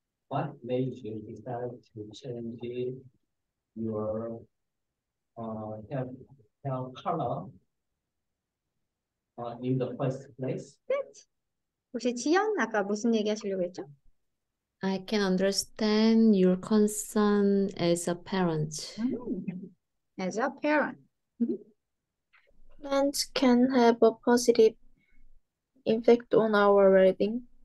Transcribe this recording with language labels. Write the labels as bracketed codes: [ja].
[en] What made you decide to change your hair color in the first place? That. [ko] 혹시 지연 아까 무슨 얘기 하시려고 했죠? [en] I can understand your concern as a parent. As a parent. Plants can have a positive effect on our wedding.